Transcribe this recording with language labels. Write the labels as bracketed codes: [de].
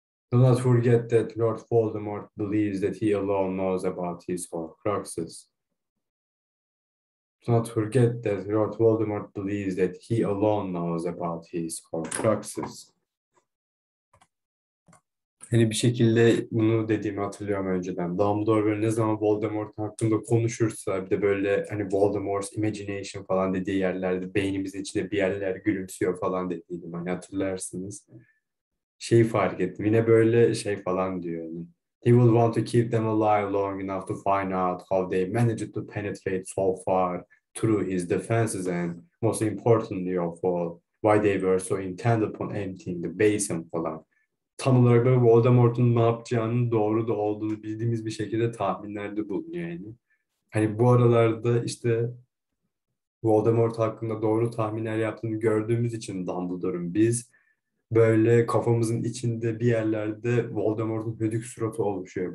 [en] Do not forget that Lord Voldemort believes that he alone knows about his horcruxes. Do not forget that Lord Voldemort believes that he alone knows about his horcruxes. [tr] Hani bir şekilde bunu dediğimi hatırlıyorum önceden. Dumbledore böyle ne zaman Voldemort hakkında konuşursa bir de böyle hani [en] Voldemort's imagination [tr] falan dediği yerlerde beynimizin içinde bir yerler gülümsüyor falan dediydim. Hani hatırlarsınız. Şeyi fark ettim. Yine böyle şey falan diyor. [en] He will want to keep them alive long enough to find out how they managed to penetrate so far through his defenses and most importantly of all, why they were so intent upon emptying the basin falan. [tr] Tam olarak böyle Voldemort'un ne yapacağının doğru da olduğunu bildiğimiz bir şekilde tahminlerde bulunuyor yani. Hani bu aralarda işte Voldemort hakkında doğru tahminler yaptığını gördüğümüz için Dumbledore'un biz böyle kafamızın içinde bir yerlerde Voldemort'un hödük suratı oluşuyor.